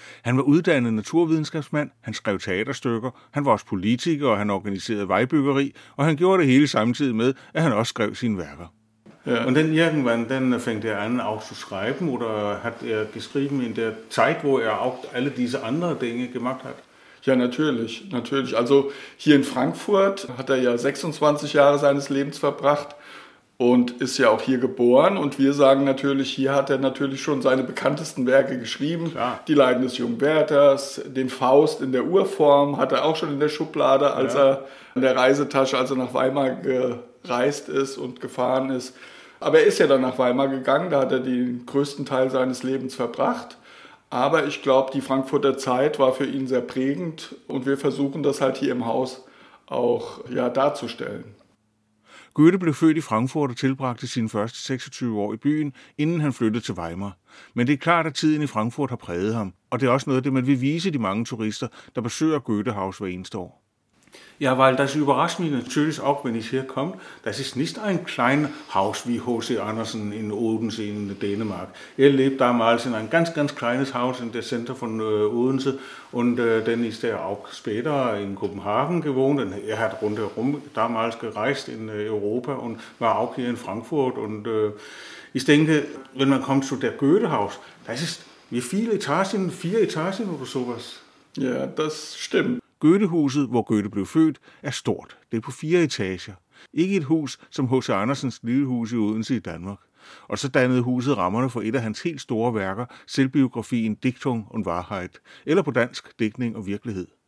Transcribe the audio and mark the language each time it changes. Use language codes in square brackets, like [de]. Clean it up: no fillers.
[da] Han var uddannet naturvidenskabsmand, han skrev teaterstykker, han var også politiker, og han organiserede vejbyggeri, og han gjorde det hele samtidig med, at han også skrev sine værker. Ja. [de] Und dann irgendwann, dann fängt er an auch zu schreiben, oder hat er geschrieben in der Zeit, wo er auch alle diese andere Dinge gemacht hat? Ja, natürlich, natürlich. Also hier in Frankfurt hat er ja 26 Jahre seines Lebens verbracht und ist ja auch hier geboren. Und wir sagen natürlich, hier hat er natürlich schon seine bekanntesten Werke geschrieben. Klar. Die Leiden des jungen Werthers, den Faust in der Urform hat er auch schon in der Schublade, als er in der Reisetasche, als er nach Weimar gereist ist und gefahren ist. Aber er ist ja dann nach Weimar gegangen, da hat er den größten Teil seines Lebens verbracht. Aber ich glaube, die Frankfurter Zeit war für ihn sehr prägend und wir versuchen das halt hier im Haus auch ja, darzustellen. [da] Goethe blev født i Frankfurt og tilbragte sine første 26 år i byen, inden han flyttede til Weimar. Men det er klart, at tiden i Frankfurt har præget ham, og det er også noget af det, man vil vise de mange turister, der besøger Goethehaus hver eneste år. [de] Ja, weil das überrascht mich natürlich auch, wenn ich hier komme. Das ist nicht ein kleines Haus wie H.C. Andersen in Odense in Dänemark. Er lebt damals in ein ganz, ganz kleines Haus in der Center von Odense. Und dann ist er auch später in Kopenhagen gewohnt. Und er hat rundherum damals gereist in Europa und war auch hier in Frankfurt. Und ich denke, wenn man kommt zu der Goethehaus, das ist wie viele Etagen, 4 Etagen oder sowas. Ja, das stimmt. [da] Goethehuset, hvor Goethe blev født, er stort. Det er på 4 etager. Ikke et hus som H.C. Andersens lille hus i Odense i Danmark. Og så dannede huset rammerne for et af hans helt store værker, selvbiografien Diktung und Wahrheit, eller på dansk Digtning og Virkelighed.